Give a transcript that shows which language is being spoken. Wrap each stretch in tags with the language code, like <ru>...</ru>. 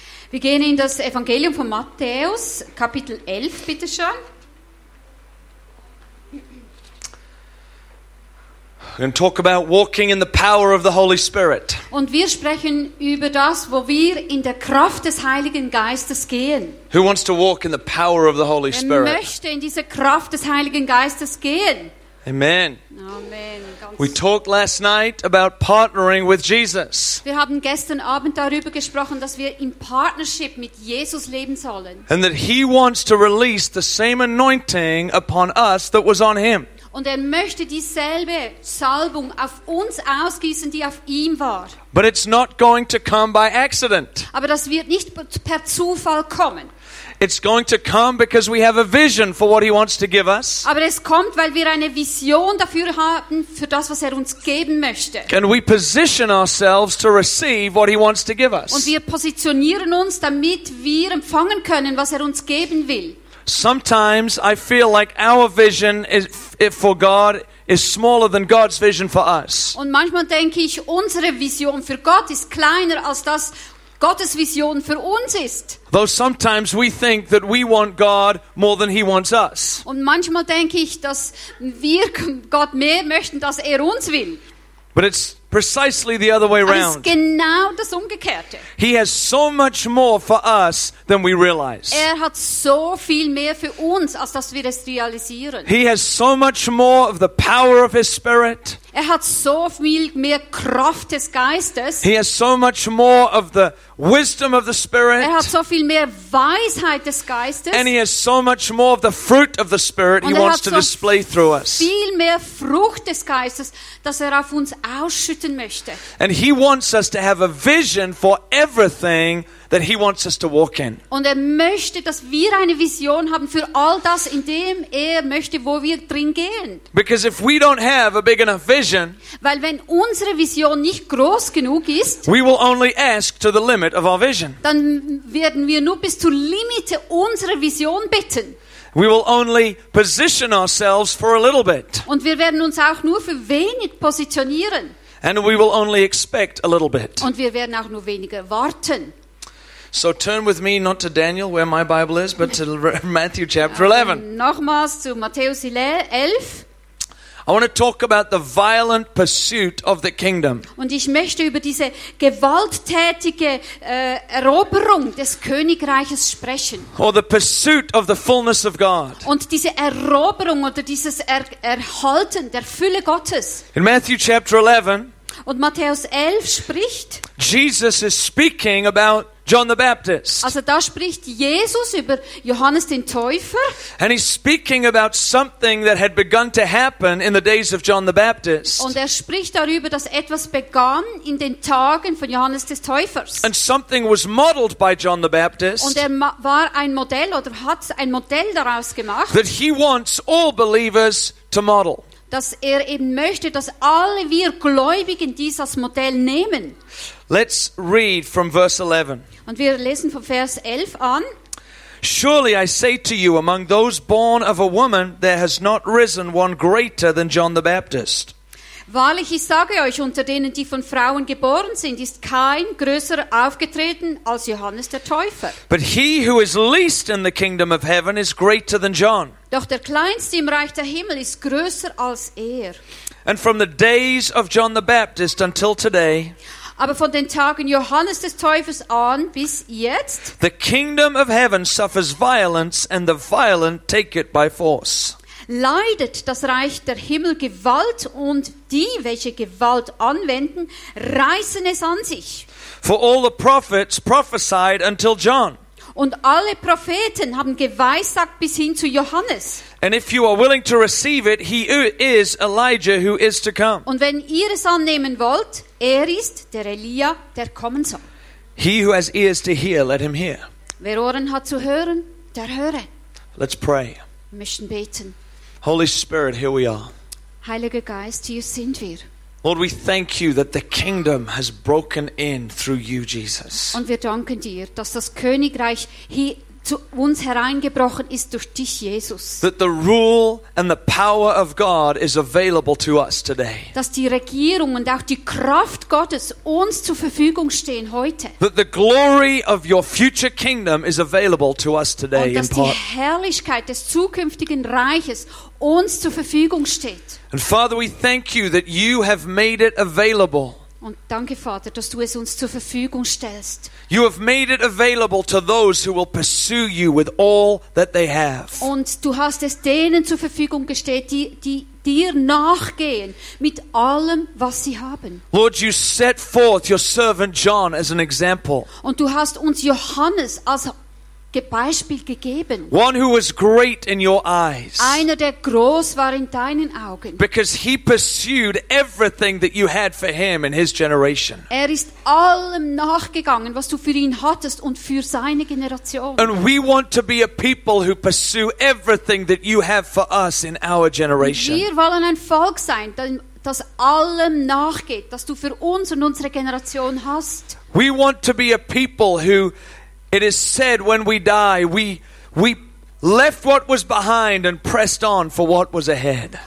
<de>Wir gehen in das Evangelium von Matthäus, Kapitel 11, bitte schön.</de> <en>And talk about walking in the power of the Holy Spirit.</en> <de>Und wir sprechen über das, wo wir in der Kraft des Heiligen Geistes gehen.</de> <en>Who wants to walk in the power of the Holy Spirit?</en> <de>Wer möchte in diese Kraft des Heiligen Geistes gehen? Amen. Amen.</de> <en>We talked last night about partnering with Jesus.</en> <de>Wir haben gestern Abend darüber gesprochen, dass wir in Partnership mit Jesus leben sollen.</de> <en>And that he wants to release the same anointing upon us that was on him.</en> <de>Und er möchte dieselbe Salbung auf uns ausgießen, die auf ihm war.</de> <en>But it's not going to come by accident.</en> <de>Aber das wird nicht per Zufall kommen.</de> <en>It's going to come because we have a vision for what he wants to give us.</en> <de>Aber es kommt, weil wir eine Vision dafür haben, für das, was er uns geben möchte.</de> <en>Can we position ourselves to receive what he wants to give us?</en> <de>Und wir positionieren uns, damit wir empfangen können, was er uns geben will.</de> <en>Sometimes I feel like our vision is for God is smaller than God's vision for us.</en> <de>Und manchmal denke ich, unsere Vision für Gott ist kleiner als das Gottes Vision für uns ist.</de> <en>Though sometimes we think that we want God more than he wants us.</en> <de>Und manchmal denke ich, dass wir Gott mehr möchten, als er uns will.</de> <en>But it's precisely the other way around.</en> <de>Es ist genau das Umgekehrte.</de> <en>He has so much more for us than we realize.</en> <de>Er hat so viel mehr für uns, als dass wir es realisieren.</de> <en>He has so much more of the power of his Spirit.</en> <de>Er hat so viel mehr Kraft des Geistes.</de> <en>He has so much more of the wisdom of the Spirit.</en> <de>Er hat so viel mehr Weisheit des Geistes.</de> <en>And he has so much more of the fruit of the Spirit he wants to display through us.</en> <de>Viel mehr Frucht des Geistes, dass er auf uns ausschütten möchte.</de> <en>And he wants us to have a vision for everything that he wants us to walk in.</en> <de>Und er möchte, dass wir eine Vision haben für all das, in dem er möchte, wo wir drin gehen.</de> <en>Because if we don't have a big enough vision,</en> <de>weil wenn unsere Vision nicht groß genug ist,</de> <en>we will only ask to the limit of our vision.</en> <de>Dann werden wir nur bis zur Limite unserer Vision bitten.</de> <en>We will only position ourselves for a little bit.</en> <de>Und wir werden uns auch nur für wenig positionieren.</de> <en>And we will only expect a little bit.</en> <de>Und wir werden auch nur weniger warten.</de> <en>So turn with me not to Daniel, where my Bible is, but to Matthew chapter 11.</en> <de>Nochmals zu Matthäus 11.</de> <en>I want to talk about the violent pursuit of the kingdom.</en> <de>Und ich möchte über diese gewalttätige Eroberung des Königreiches sprechen.</de> <en>Or the pursuit of the fullness of God.</en> <de>Und diese Eroberung oder dieses Erhalten der Fülle Gottes.</de> <en>In Matthew chapter 11.</en> <de>Und Matthäus 11 spricht.</de> <en>Jesus is speaking about John the Baptist.</en> <de>Also da spricht Jesus über Johannes den Täufer.</de> <en>And he's speaking about something that had begun to happen in the days of John the Baptist.</en> <de>Und er spricht darüber, dass etwas begann in den Tagen von Johannes des Täufers.</de> <en>And something was modeled by John the Baptist.</en> <de>Und er war ein Modell oder hat ein Modell daraus gemacht.</de> <en>That he wants all believers to model.</en> <de>Dass er eben möchte, dass alle wir Gläubigen dies als Modell nehmen.</de> <en>Let's read from verse 11.</en> <de>Und wir lesen von Vers 11 an.</de> <en>Surely I say to you, among those born of a woman, there has not risen one greater than John the Baptist.</en> <de>Wahrlich, ich sage euch, unter denen, die von Frauen geboren sind, ist kein größerer aufgetreten als Johannes der Täufer.</de> <en>But he who is least in the kingdom of heaven is greater than John.</en> <de>Doch der Kleinste im Reich der Himmel ist größer als er.</de> <en>And from the days of John the Baptist until today,</en> <de>aber von den Tagen Johannes des Täufers an bis jetzt,</de> <en>the kingdom of heaven suffers violence and the violent take it by force.</en> <de>Leidet das Reich der Himmel Gewalt und die, welche Gewalt anwenden, reißen es an sich.</de> <en>For all the prophets prophesied until John.</en> <de>Und alle Propheten haben geweissagt bis hin zu Johannes.</de> <en>And if you are willing to receive it, he is Elijah who is to come.</en> <de>Und wenn ihr es annehmen wollt, ist der Elia, der kommen soll.</de> <en>He who has ears to hear, let him hear.</en> <de>Wer Ohren hat zu hören, der höre.</de> <en>Let's pray.</en> <de>Wir müssen beten.</de> <en>Holy Spirit, here we are.</en> <de>Heiliger Geist, hier sind wir.</de> <en>Lord, we thank you that the kingdom has broken in through you, Jesus.</en> <de>Und wir danken dir, dass das Königreich hier zu uns hereingebrochen ist durch dich, Jesus.</de> <en>That the rule and the power of God is available to us today.</en> <de>Dass die Regierung und auch die Kraft Gottes uns zur Verfügung stehen heute.</de> <en>That the glory of your future kingdom is available to us today.</en> <de>Und dass die Herrlichkeit des zukünftigen Reiches uns zur Verfügung steht.</de> <en>And Father, we thank you that you have made it available.</en> <de>Und danke, Vater, dass du es uns zur Verfügung stellst.</de> <en>You have made it available to those who will pursue you with all that they have.</en> <de>Und du hast es denen zur Verfügung gestellt, die dir nachgehen mit allem, was sie haben.</de> <en>Lord, you set forth your servant John as an example.</en> <de>Und du hast uns Johannes als Beispiel gegeben.</de> <en>One who was great in your eyes.</en> <de>Einer, der groß war in deinen Augen.</de> <en>Because he pursued everything that you had for him in his generation.</en> <de>Ist allem nachgegangen, was du für ihn hattest und für seine Generation.</de> <en>And we want to be a people who pursue everything that you have for us in our generation.</en> <de>Wir wollen ein Volk sein, das allem nachgeht, das du für uns und unsere Generation hast.</de> <en>We want to be a people who, it is said, when we die, we left what was behind and pressed on for what was ahead.</en>